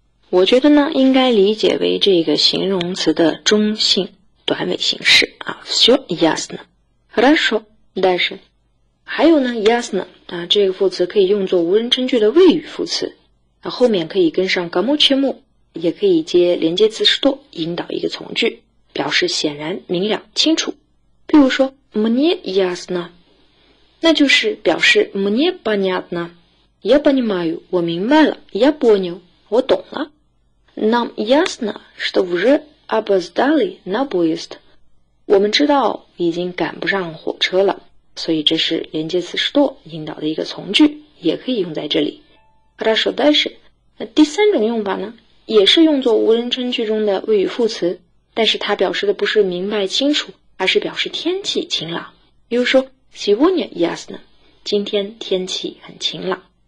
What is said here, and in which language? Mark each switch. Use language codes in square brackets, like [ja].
[zh] 我觉得呢，应该理解为这个形容词的中性短尾形式啊， [ru] все ясно。 Хорошо， [zh] 但是还有呢 ，ясно 啊，这个副词可以用作无人称句的谓语副词，啊，后面可以跟上 [ru] кому чему， [zh] 也可以接连接词 что， 引导一个从句，表示显然、明了、清楚。比如说 [ru] мне ясно， [zh] 那就是表示 [ru] мне понятно， я понимаю， [zh] 我明白了， [ru] я понял， [zh] 我懂了。 [ru] Нам ясно， что уже опоздали на поезд， [zh] 我们知道已经赶不上火车了。所以这是连接词 что 引导的一个从句，也可以用在这里。 [ru] Хорошо， [zh] 但是第三种用法呢，也是用作无人称句中的谓语副词，但是它表示的不是明白清楚，而是表示天气晴朗。比如说 [ru] сегодня ясно， [zh] 今天天气很晴朗。